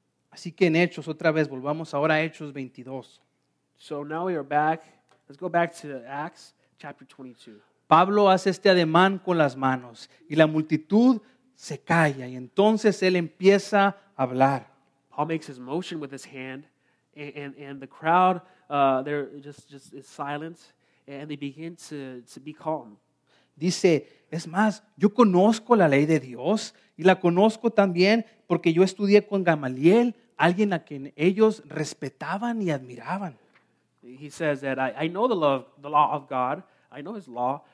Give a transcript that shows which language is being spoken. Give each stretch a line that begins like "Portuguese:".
Spanish: Así que en Hechos, otra vez, volvamos ahora a Hechos 22.
English: So now we are back. Let's go back to Acts chapter 22.
Spanish: Pablo hace este ademán con las manos y la multitud se calla y entonces él empieza a hablar.
English: Paul makes his motion with his hand. And the crowd, they're just is silent, and they begin to be calm.
Spanish: Dice, es más, yo conozco la ley de Dios, y la conozco también porque yo estudié con Gamaliel, alguien a quien ellos respetaban y admiraban.
English: He says that I know the law of God. I know his law.